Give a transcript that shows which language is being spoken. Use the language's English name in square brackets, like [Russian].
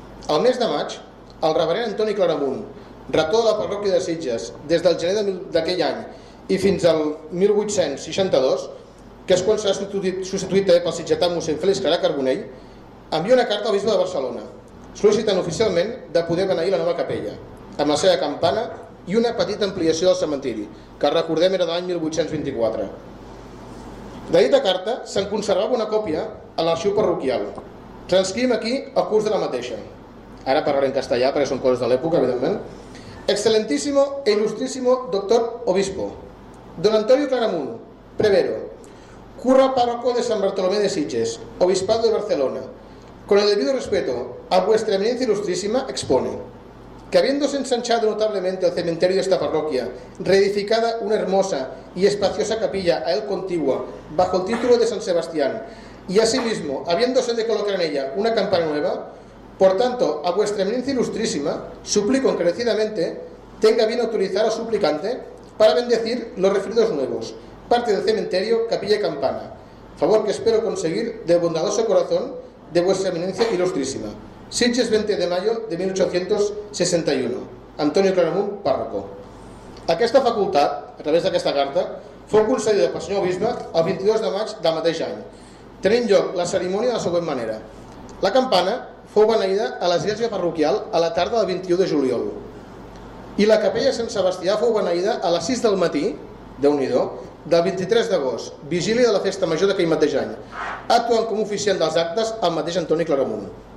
[Catalan] El mes de maig, el reverent Antoni Claramunt, rector de la parròquia de Sitges des del gener d'aquell any i fins al 1862, que és quan s'ha substituït pel sitgetà mossèn Félix Clarà Carbonell, envia una carta al bisbe de Barcelona, sol·licitant oficialment de poder beneir la nova capella, amb la seva campana i una petita ampliació del cementiri, que recordem era de l'any 1824. De dita carta se'n conservava una còpia a l'arxiu parroquial. Transcrim aquí el curs de la mateixa. Ara parlaré en castellà perquè són coses de l'època, evidentment. [Spanish] Excelentísimo e ilustrísimo doctor obispo, don Antonio Claramunt, prevero, cura párroco de San Bartolomé de Sitges, obispado de Barcelona, con el debido respeto a vuestra eminencia ilustrísima, expone que habiéndose ensanchado notablemente el cementerio de esta parroquia, reedificada una hermosa y espaciosa capilla a él contigua bajo el título de San Sebastián, y asimismo habiéndose de colocar en ella una campana nueva, por tanto, a vuestra eminencia ilustrísima, suplico encarecidamente, tenga bien autorizar al suplicante para bendecir los refridos nuevos, parte del cementerio, capilla y campana, favor que espero conseguir del bondadoso corazón de vuestra eminencia ilustrísima. Sitges, 20 de mayo de 1861. Antonio Claramunt, párroco. [Catalan] Aquesta facultat, a través d'aquesta carta, fou concedida pel senyor bisbe el 22 de maig del mateix any, tenint lloc la cerimònia de la següent manera. La campana fou beneïda a l'església parroquial a la tarda del 21 de juliol. I la capella Sant Sebastià fou beneïda a les 6 del matí, Déu-n'hi-do, del 23 d'agost, vigília de la festa major d'aquell mateix any, actuant com oficiant dels actes el mateix Antoni Claramunt.